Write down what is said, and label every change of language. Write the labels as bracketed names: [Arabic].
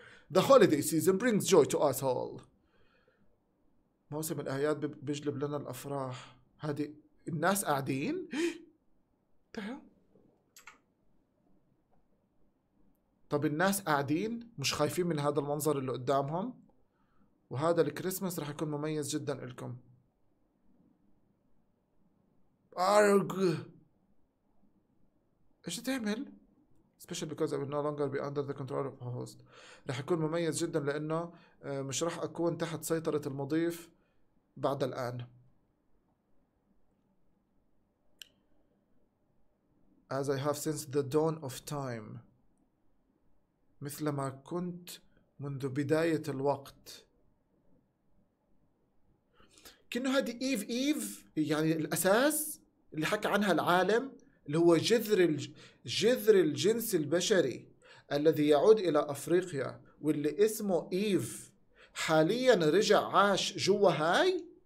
[English] The holiday season brings joy to us all. [Arabic] موسم الاعياد بيجلب لنا الافراح. هذه الناس قاعدين طب الناس قاعدين مش خايفين من هذا المنظر اللي قدامهم، وهذا الكريسماس رح يكون مميز جدا لكم. ارغ ايش تعمل؟ [English] special because I will no longer be under the control of the host. [Arabic] رح يكون مميز جدا لانه مش رح اكون تحت سيطرة المضيف بعد الان. [English] As I have since the dawn of time. [Arabic] مثل ما كنت منذ بداية الوقت. كأنه هذه إيف إيف يعني الأساس اللي حكى عنها العالم، اللي هو جذر الجنس البشري الذي يعود إلى أفريقيا واللي اسمه إيف، حاليا رجع عاش جوا هاي.